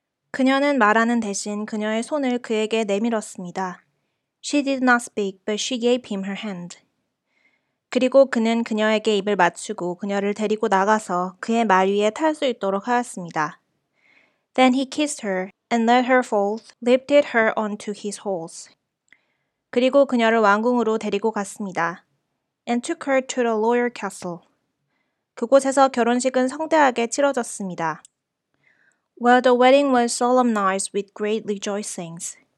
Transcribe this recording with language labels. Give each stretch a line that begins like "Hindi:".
Korean: 그녀는 말하는 대신 그녀의 손을 그에게 내밀었습니다.
English: She did not speak, but she gave him her hand.
Korean: 그리고 그는 그녀에게 입을 맞추고 그녀를 데리고 나가서 그의 말 위에 탈수 있도록 하였습니다.
English: Then he kissed her and let her forth, lifted her onto his horse.
Korean: 그리고 그녀를 왕궁으로 데리고 갔습니다.
English: And took her to the royal castle.
Korean: 그곳에서 결혼식은 성대하게 치러졌습니다.
English: Well, the wedding was solemnized with great rejoicings.